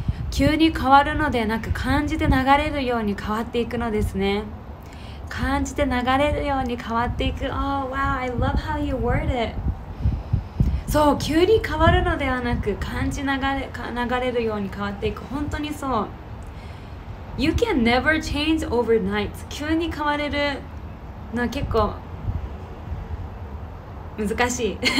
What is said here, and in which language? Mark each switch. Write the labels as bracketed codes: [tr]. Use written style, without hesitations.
[ja] 急に変わるのでなく感じて流れるように変わっていくのですね。感じて流れるように変わっていく。 [en] Oh wow, I love how you word it. [ja] そう、急に変わるのではなく感じ流れるように変わっていく。本当にそう。 [en] You can never change overnight. [ja] 急に変われるのは結構難しい。